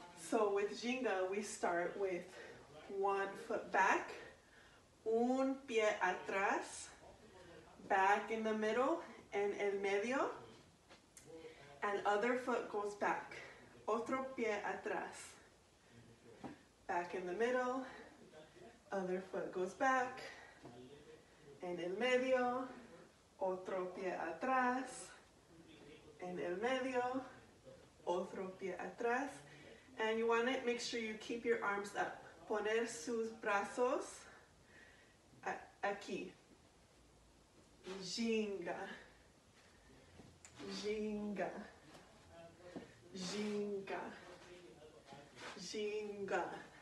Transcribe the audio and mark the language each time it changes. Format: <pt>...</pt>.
<en>So with ginga, we start with one foot back,</en> <es>un pie atrás,</es> <en>back in the middle,</en> <es>en el medio,</es> <en>and other foot goes back.</en> <es>Otro pie atrás.</es> <en>Back in the middle, other foot goes back.</en> <es>En el medio, otro pie atrás, en el medio, otro pie atrás.</es> <en>And you want to make sure you keep your arms up.</en> <es>Poner sus brazos aquí. Ginga, ginga, ginga, ginga.</es>